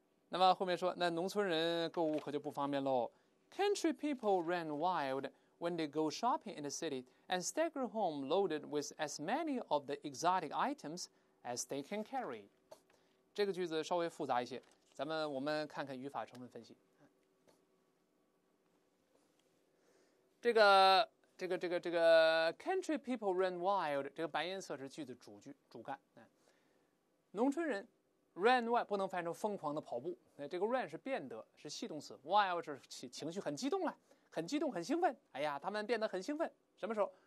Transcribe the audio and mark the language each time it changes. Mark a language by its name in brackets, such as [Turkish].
[Chinese] 那么后面说，那农村人购物可就不方便喽。 [English] Country people ran wild when they go shopping in the city and stagger home loaded with as many of the exotic items as they can carry。 [Chinese] 这个句子稍微复杂一些，我们看看语法成分分析。这个 [English] country people run wild， [Chinese] 这个白颜色是句子主句主干。农村人 run wild 不能翻译成疯狂的跑步，这个 run 是变得，是系动词， wild 是情绪很激动了，很激动很兴奋，哎呀他们变得很兴奋。什么时候？